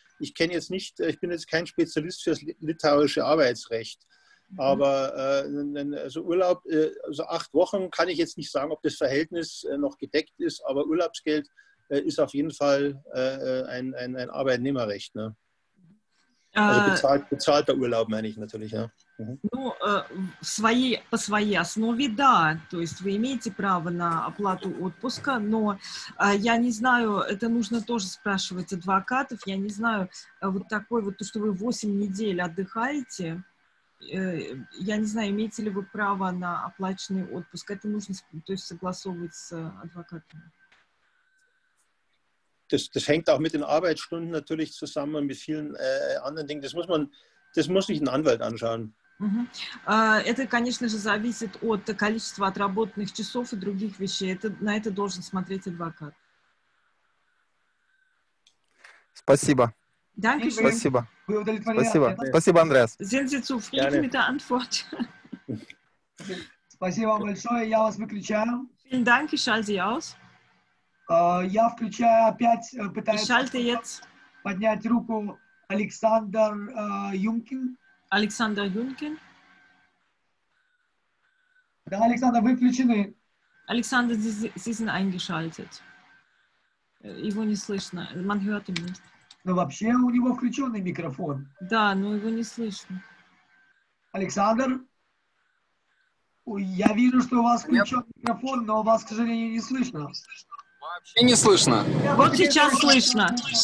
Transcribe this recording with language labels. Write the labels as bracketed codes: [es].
[de] Ich bin jetzt kein Spezialist für das litauische Arbeitsrecht. Aber also Urlaub, also 8 Wochen kann ich jetzt nicht sagen, ob das Verhältnis noch gedeckt ist, aber Urlaubsgeld ist auf jeden Fall ein Arbeitnehmerrecht. Ne? Also bezahlter Urlaub meine ich natürlich, ja. [ru] Ну, по своей основе, да, то есть вы имеете право на оплату отпуска, но я не знаю, это нужно тоже спрашивать адвокатов, я не знаю, вот такой вот, то, что вы 8 недель отдыхаете, я не знаю, имеете ли вы право на оплаченный отпуск, это нужно, то есть согласовывать с адвокатами. [de] Das hängt auch mit den Arbeitsstunden natürlich zusammen und mit vielen anderen Dingen, das muss sich ein Anwalt anschauen. [ru] Это, конечно же, зависит от количества отработанных часов и других вещей. На это должен смотреть адвокат. Спасибо. [de] Danke schön. [ru] Спасибо. Спасибо. Спасибо, Андреас. [de] Sind Sie zufrieden mit der Antwort? [ru] Спасибо большое. Я вас выключаю. [de] Vielen Dank. Ich schalte Sie aus. [ru] Я включаю опять, пытаюсь [de] ich schalte jetzt. [ru] Поднять руку Александр Юмкин. Александр Юнкин. Да, Александр, вы включены. [de] Александр, Sie sind eingeschaltet. [ru] Его не слышно. [de] Man hört ihn nicht. [ru] Но вообще у него включенный микрофон. Да, но его не слышно. Александр, я вижу, что у вас включен микрофон, но вас, к сожалению, не слышно. Вообще не слышно. Вот сейчас слышно.